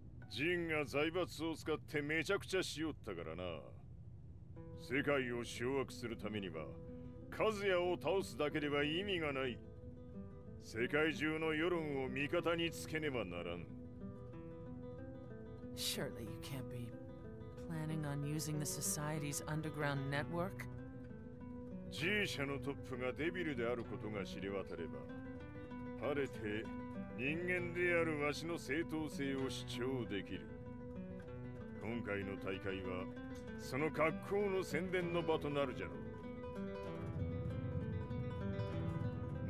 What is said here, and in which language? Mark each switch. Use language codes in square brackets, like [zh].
[ja] Jin が財閥を使ってめちゃくちゃしよったからな。世界を掌握するためには、カズヤを倒すだけでは意味がない。世界中の世論を味方につけねばならん。 [en] Surely you can't be planning on using the society's underground network? [ja] G 社のトップがデビルであることが知れ渡れば、晴れて人間であるわしの正当性を主張できる。今回の大会はその格好の宣伝の場となるじゃろう。